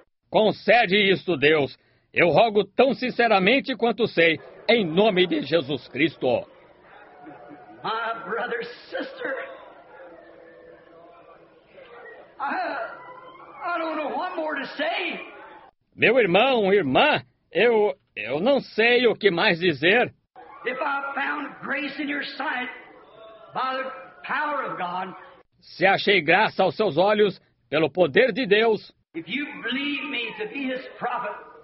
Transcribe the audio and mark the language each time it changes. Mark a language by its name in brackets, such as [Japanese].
[Portuguese] Concede isto, Deus. Eu rogo tão sinceramente quanto sei, em nome de Jesus Cristo. [English] My brother, sister, I don't know what more to say. [Portuguese] Meu irmão, irmã, eu não sei o que mais dizer. [English] If I found grace in your sight by the power of God. [Portuguese] Se achei graça aos seus olhos pelo poder de Deus. [English] If you believe me to be his prophet.